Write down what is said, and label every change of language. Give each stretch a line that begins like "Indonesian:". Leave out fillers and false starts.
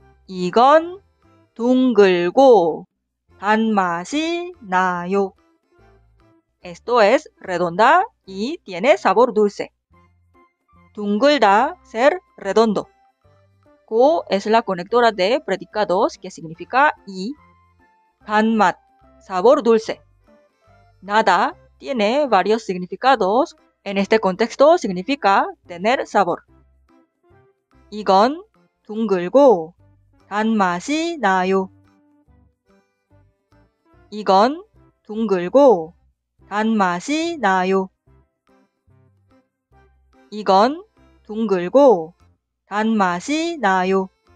Korean: 이건 둥글고 단맛이 나요.
Spanish: Esto es redonda y tiene sabor dulce. 둥글다, ser redondo. Go es la conectora de predicados que significa y. 단맛, sabor dulce. Nada tiene varios significados. En este contexto significa tener sabor.
Korean: 이건 둥글고 단맛이 나요. 이건 둥글고 단맛이 나요. 이건 둥글고 단맛이 나요.